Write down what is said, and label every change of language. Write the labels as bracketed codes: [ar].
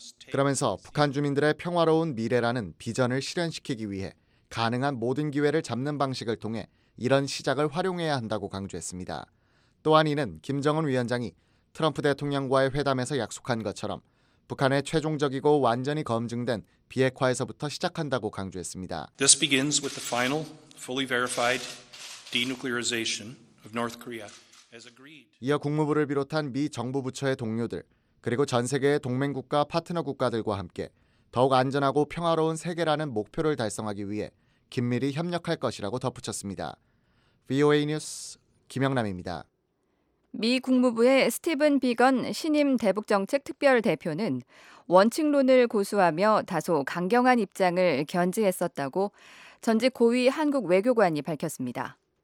[ko] 그러면서 북한 주민들의 평화로운 미래라는 비전을 실현시키기 위해 가능한 모든 기회를 잡는 방식을 통해 이런 시작을 활용해야 한다고 강조했습니다. 또한 이는 김정은 위원장이 트럼프 대통령과의 회담에서 약속한 것처럼 북한의 최종적이고 완전히 검증된 비핵화에서부터 시작한다고 강조했습니다. [en] This begins with the final, fully verified denuclearization of North Korea as agreed. [ko] 이어 국무부를 비롯한 미 정부 부처의 동료들 그리고 전 세계의 동맹국가 파트너 국가들과 함께 더욱 안전하고 평화로운 세계라는 목표를 달성하기 위해 긴밀히 협력할 것이라고 덧붙였습니다. VOA 뉴스 김영남입니다. 미 국무부의 스티븐 비건 신임 대북정책특별대표는 원칙론을 고수하며 다소 강경한 입장을 견지했었다고 전직 고위 한국 외교관이 밝혔습니다.